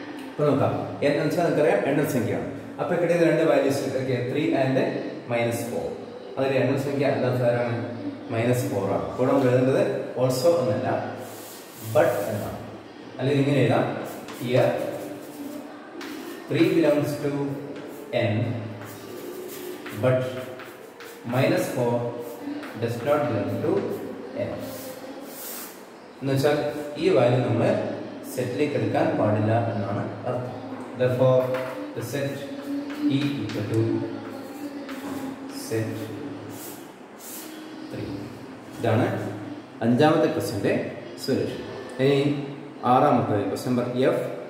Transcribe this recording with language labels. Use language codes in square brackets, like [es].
[ml] ഇപ്പോൾ നോക്കാം, എൻ എന്ന് വെച്ചാൽ നമുക്കറിയാം എണ്ണൽ സംഖ്യ. അപ്പോൾ കിട്ടിയ രണ്ട് വാല്യൂസ് ഒക്കെ 3 and -4. അതിൽ എണ്ണൽ സംഖ്യ അല്ലാത്തതാരാണ്? -4 ആണ്. കൂടെ നമ്മൾ എഴുതേണ്ടത് ഓൾസോ എന്നല്ല, ബട്ട് എന്നാണ്. [en] അല്ലെങ്കിൽ ഇങ്ങനെ എഴുതാം, ഇയർ 3 belongs to n but -4 does not belong to n. [ml] എന്നുവെച്ചാൽ ഈ വാല്യൂ നമ്മൾ സെറ്റിലേക്ക് എടുക്കാൻ പാടില്ല എന്നാണ് അർത്ഥം. [en] Therefore the set E equal to set 3. [ml] ഇതാണ് അഞ്ചാമത്തെ ക്വസ്റ്റ്യൻ്റെ സൊല്യൂഷൻ. ഇനി ആറാമത്തെ ക്വസ്റ്റ്യൻ നമ്പർ എഫ്.